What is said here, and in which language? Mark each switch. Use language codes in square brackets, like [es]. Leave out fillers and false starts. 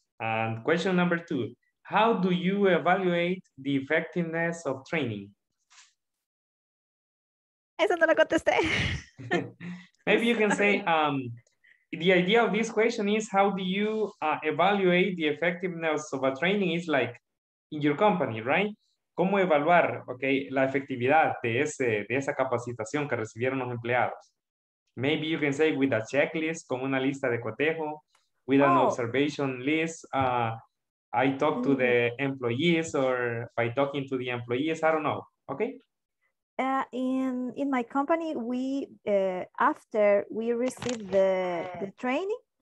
[en] And question number two, how do you evaluate the effectiveness of training? [es] Eso no lo contesté. [en] Maybe you can say, the idea of this question is how do you evaluate the effectiveness of a training is like in your company, right? [es] ¿Cómo evaluar, okay, la efectividad de esa capacitación que recibieron los empleados? [en] Maybe you can say with a checklist, [es] como una lista de cotejo, [en] with an observation list, I talk to the employees or by talking to the employees, I don't know, okay? In my company, we after we receive the training,